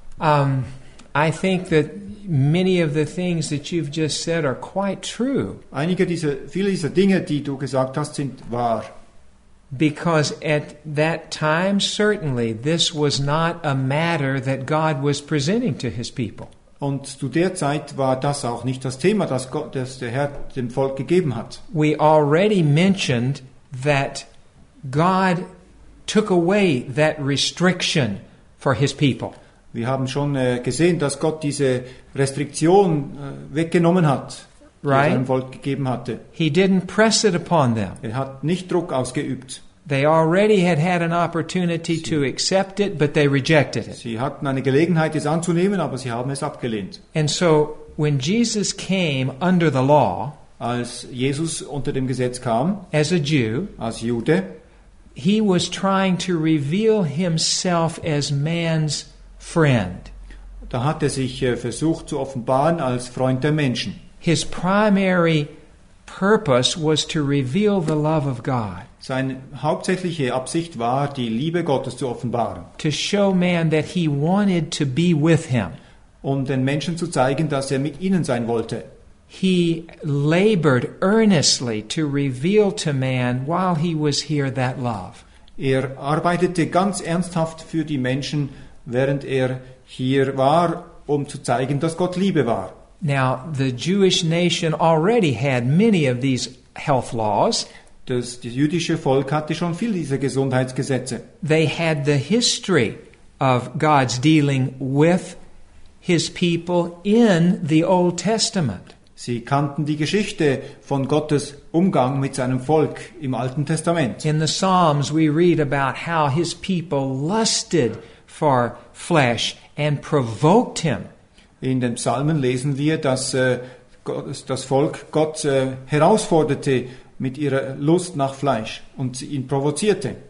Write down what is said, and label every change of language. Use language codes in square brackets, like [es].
[en] I think that many of the things that you've just said are quite true. [de] Einige dieser, viele dieser Dinge, die du gesagt hast, sind wahr. [en] Because at that time, certainly, this was not a matter that God was presenting to his people. [de] Und zu der Zeit war das auch nicht das Thema, das Gott, das der Herr dem Volk gegeben hat. [en] We already mentioned that God took away that restriction for his people. [de] Wir haben schon gesehen, dass Gott diese Restriktion weggenommen hat. [en] Right. [de] Volk gegeben hatte. [en] He didn't press it upon them. [de] Er hat nicht Druck ausgeübt. [en] They already had had an opportunity to accept it, but they rejected it. [de] Sie hatten eine Gelegenheit, es anzunehmen, aber sie haben es abgelehnt. [en] And so, when Jesus came under the law, [de] als Jesus unter dem Gesetz kam, [en] as a Jew, [de] als Jude, [en] he was trying to reveal himself as man's friend. [de] Da hat er sich versucht zu offenbaren als Freund der Menschen. [en] His primary purpose was to reveal the love of God. [de] Seine hauptsächliche Absicht war, die Liebe Gottes zu offenbaren. [en] To show man that he wanted to be with him. [de] Um den Menschen zu zeigen, dass er mit ihnen sein wollte. [en] He labored earnestly to reveal to man while he was here that love. [de] Er arbeitete ganz ernsthaft für die Menschen, während er hier war, um zu zeigen, dass Gott Liebe war. [en] Now, the Jewish nation already had many of these health laws. [de] Das jüdische Volk hatte schon viel dieser Gesundheitsgesetze. [en] They had the history of God's dealing with his people in the Old Testament. [de] Sie kannten die Geschichte von Gottes Umgang mit seinem Volk im Alten Testament. [en] In the Psalms we read about how his people lusted for flesh and provoked him. [de] In den Psalmen lesen wir, dass das Volk Gott herausforderte mit ihrer Lust nach Fleisch und ihn provozierte.